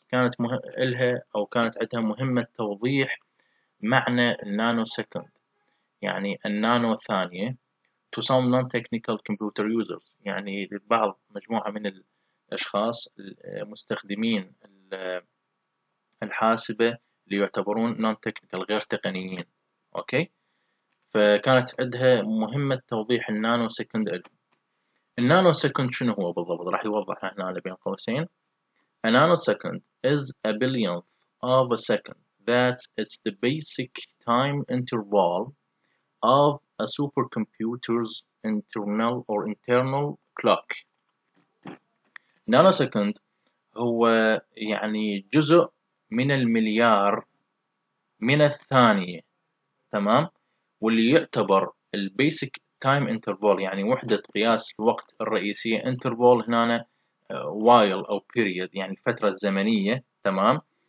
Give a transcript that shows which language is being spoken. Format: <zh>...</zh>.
<ar>كانت لها او كانت عندها مهمه توضيح معنى النانو سكند، يعني النانو ثانيه،</ar> <en>to some non-technical computer users،</en> <ar>يعني لبعض مجموعه من أشخاص مستخدمين الحاسبة اللي يعتبرون نون تكنيكال غير تقنيين. أوكي، فكانت عندها مهمة توضيح النانو سكند. النانو سكند شنو هو بالضبط؟ راح يوضحها هنا بين قوسين.</ar> <en>A nanosecond is a billionth of a second. That is the basic time interval of a supercomputer's internal or internal clock.</en> <ar>نانو سكند هو يعني جزء من المليار من الثانية، تمام، واللي يعتبر البيسك تايم انترفول، يعني وحدة قياس الوقت الرئيسية. انترفول هنا وايل او بيريد، يعني الفترة الزمنية، تمام.</ar>